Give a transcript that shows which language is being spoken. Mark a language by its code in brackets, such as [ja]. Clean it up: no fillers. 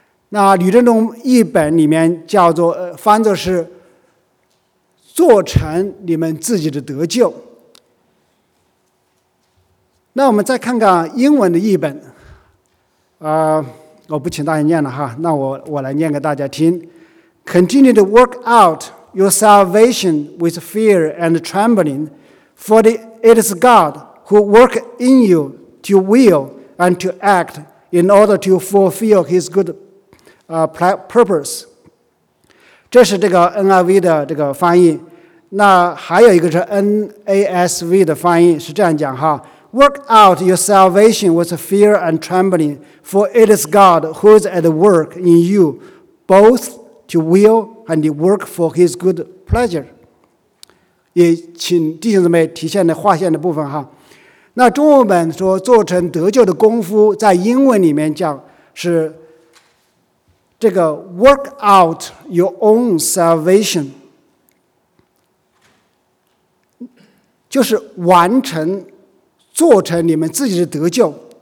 [zh] 那吕振中译本里面叫做翻作是做成你们自己的得救。那我们再看看英文的译本，我不请大家念了哈，那我来念给大家听。 [en] Continue to work out your salvation with fear and trembling, for it is God who works in you to will and to act in order to fulfill his good purpose. [zh] 这是这个 NIV 的这个翻译。那还有一个是 NASV 的翻译，是这样讲哈。 [en] Work out your salvation with fear and trembling, for it is God who is at work in you, both to will and to work for his good pleasure. [zh] 也请弟兄姊妹体现的划线的部分哈。那中文本说做成得救的功夫，在英文里面讲是这个 [en] work out your own salvation， [zh] 就是完成做成你们自己的得救。